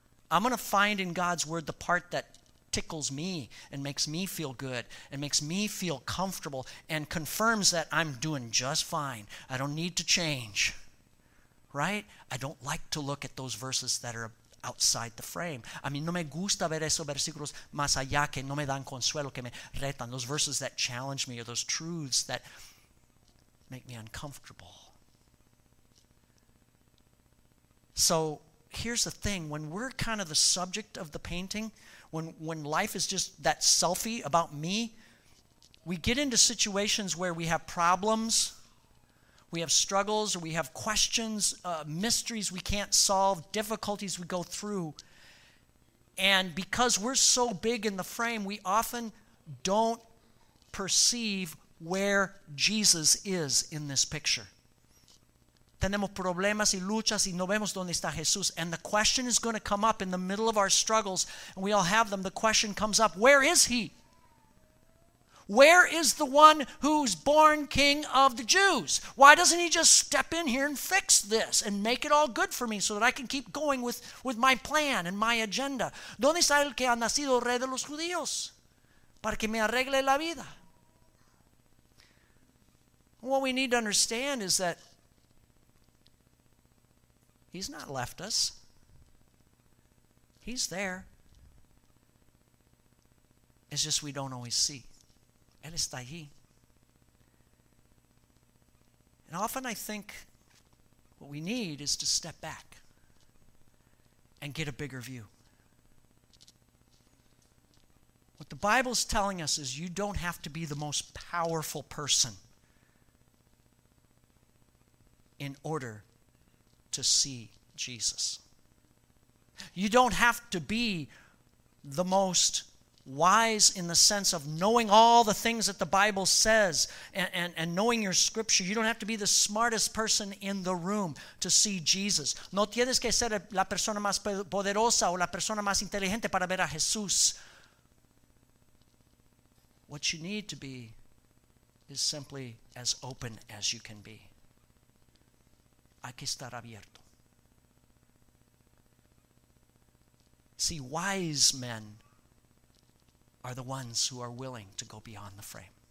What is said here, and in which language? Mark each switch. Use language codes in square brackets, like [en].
[en] I'm going to find in God's word the part that tickles me and makes me feel good and makes me feel comfortable and confirms that I'm doing just fine. I don't need to change. Right? I don't like to look at those verses that are outside the frame. [es] A mí no me gusta ver esos versículos más allá que no me dan consuelo, que me retan. [en] Those verses that challenge me, or those truths that make me uncomfortable. So here's the thing. When we're kind of the subject of the painting, when life is just that selfie about me, we get into situations where we have problems, we have struggles, or we have questions, mysteries we can't solve, difficulties we go through. And because we're so big in the frame, we often don't perceive where Jesus is in this picture. [es] Tenemos problemas y luchas y no vemos dónde está Jesús. [en] And the question is going to come up in the middle of our struggles, and we all have them. The question comes up, where is he? Where is the one who's born King of the Jews? Why doesn't he just step in here and fix this and make it all good for me so that I can keep going with my plan and my agenda? [es] ¿Dónde está el que ha nacido rey de los judíos? Para que me arregle la vida. [en] What we need to understand is that he's not left us. He's there. It's just we don't always see. [es] Él está allí. [en] And often I think what we need is to step back and get a bigger view. What the Bible's telling us is you don't have to be the most powerful person in order to see Jesus. You don't have to be the most wise in the sense of knowing all the things that the Bible says and knowing your scripture. You don't have to be the smartest person in the room to see Jesus. [es] No tienes que ser la persona más poderosa o la persona más inteligente para ver a Jesús. [en] What you need to be is simply as open as you can be. [es] Hay que estar abierto. [en] See, wise men are the ones who are willing to go beyond the frame.